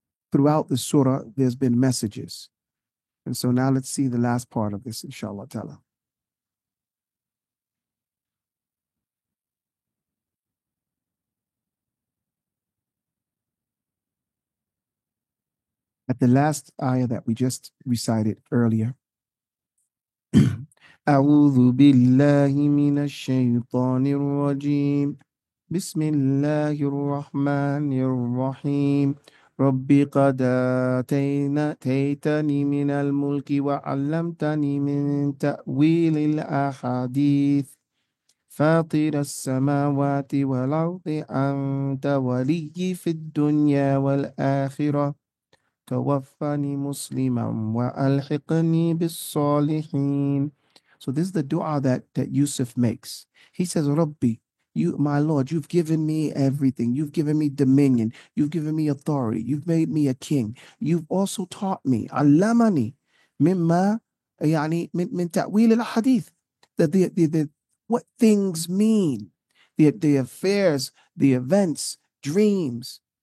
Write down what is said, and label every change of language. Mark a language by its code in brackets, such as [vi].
[en] throughout the surah there's been messages and so now let's see the last part of this inshallah ta'ala At the last ayah that we just recited earlier. [ar] أعوذ بالله من الشيطان الرجيم بسم الله الرحمن الرحيم رب قد آتيتني من الملك وعلمتني من تأويل الأحاديث فاطر السماوات والأرض أنت ولي في الدنيا والآخرة توفني مسلما وألحقني بالصالحين [en] So this is the dua that Yusuf makes. He says, Rabbi, you, my Lord, you've given me everything. You've given me dominion. You've given me authority. You've made me a king. You've also taught me, [ar] علمني مما يعني من تأويل الحديث [en] that the what things mean, the affairs, the events, dreams.